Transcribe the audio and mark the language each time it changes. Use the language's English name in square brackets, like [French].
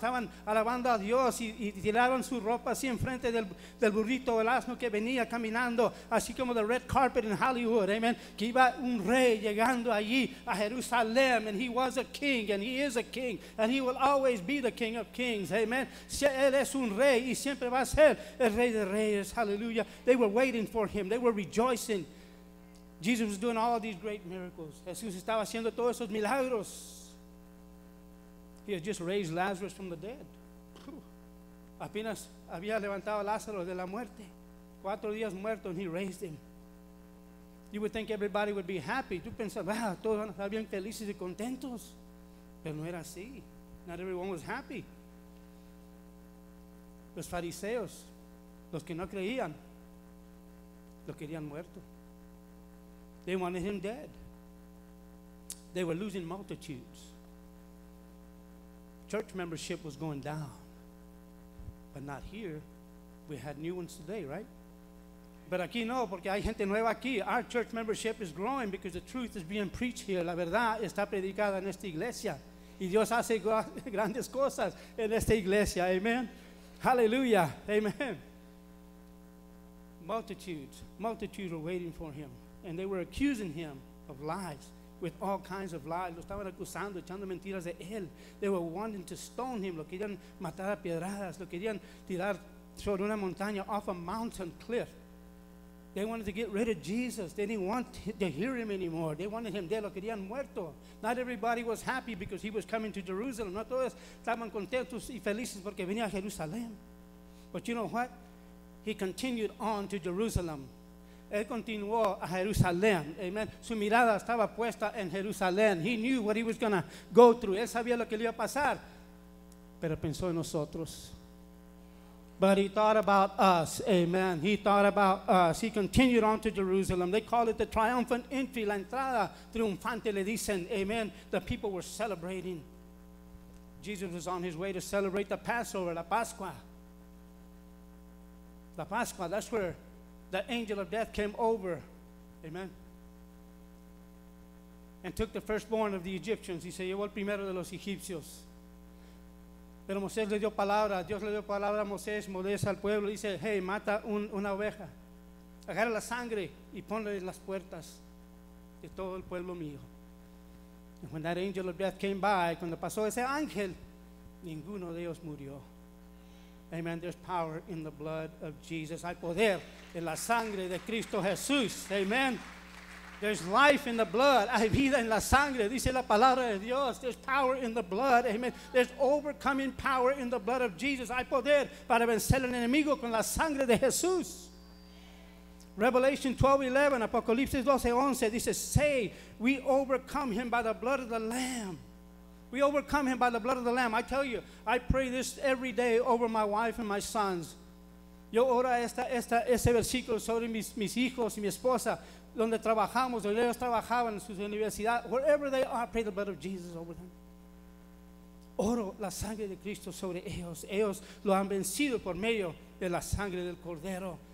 [Spanish] Estaban alabando a Dios y tiraron su ropa así enfrente del burrito, el asno que venía caminando, así como [English] the red carpet in Hollywood, [Spanish] amen. Que iba un rey llegando allí a Jerusalén, [English] and he was a king, and he is a king, and he will always be the king of kings, amen. [Spanish] Él es un rey y siempre va a ser el rey de reyes, hallelujah. [English] They were waiting for him. They were rejoicing. Jesus was doing all of these great miracles. [Spanish] Jesús estaba haciendo todos esos milagros. [English] He had just raised Lazarus from the dead. [Spanish] Apenas había levantado a Lázaro de la muerte. 4 días muerto, [English] and he raised him. You would think everybody would be happy. [Spanish] Tú pensabas, wow, todos estaban felices y contentos. Pero no era así. [English] Not everyone was happy. [Spanish] Los fariseos, los que no creían, lo querían muerto. [English] They wanted him dead. They were losing multitudes. Church membership was going down. But not here. We had new ones today, right? But [Spanish] aquí no, porque hay gente nueva aquí. [English] Our church membership is growing because the truth is being preached here. [Spanish] La verdad está predicada en esta iglesia. Y Dios hace grandes cosas en esta iglesia. [English] Amen. Hallelujah. Amen. Multitudes. Multitudes were waiting for him. And they were accusing him of lies, with all kinds of lies. Lo estaban acusando, echando mentiras de él. They were wanting to stone him. Lo querían matar a piedradas. Lo querían tirar sobre una montaña, off a mountain cliff. They wanted to get rid of Jesus. They didn't want to hear him anymore. They wanted him dead. Lo querían muerto. Not everybody was happy because he was coming to Jerusalem. [Spanish] No todos estaban contentos y felices porque venía a Jerusalén. [English] But you know what? He continued on to Jerusalem. [Spanish] Él continuó a Jerusalén. Amen. Su mirada estaba puesta en Jerusalén. [English] He knew what he was going to go through. [Spanish] Él sabía lo que le iba a pasar. Pero pensó en nosotros. [English] But he thought about us. Amen. He thought about us. He continued on to Jerusalem. They call it the triumphant entry. [Spanish] La entrada triunfante, le dicen. Amen. [English] The people were celebrating. Jesus was on his way to celebrate the Passover, la Pascua. La Pascua, that's where the angel of death came over. Amen. And took the firstborn of the Egyptians. He said, [Spanish] llevó el primero de los egipcios. Pero Moisés le dio palabra. Dios le dio palabra a Moisés. Moisés al pueblo dice, hey, mata una oveja. Agarra la sangre y ponle en las puertas de todo el pueblo mío. [English] And when that angel of death came by, [Spanish] cuando pasó ese ángel, ninguno de ellos murió. [English] Amen. There's power in the blood of Jesus. [Spanish] Hay poder en la sangre de Cristo Jesús. Amen. [English] There's life in the blood. [Spanish] Hay vida en la sangre. Dice la palabra de Dios. [English] There's power in the blood. [Spanish] Amen. [English] There's overcoming power in the blood of Jesus. [Spanish] Hay poder para vencer al enemigo con la sangre de Jesús. [English] Revelation 12:11, [Spanish] Apocalipsis 12:11 dice, [English] say, we overcome him by the blood of the Lamb. We overcome him by the blood of the Lamb. I tell you, I pray this every day over my wife and my sons. [Spanish] Yo oro ese versículo sobre mis hijos y mi esposa. Donde trabajamos, donde ellos trabajaban en sus universidades, [English] wherever they are, I pray the blood of Jesus over them. [Spanish] Oro la sangre de Cristo sobre ellos. Ellos lo han vencido por medio de la sangre del Cordero.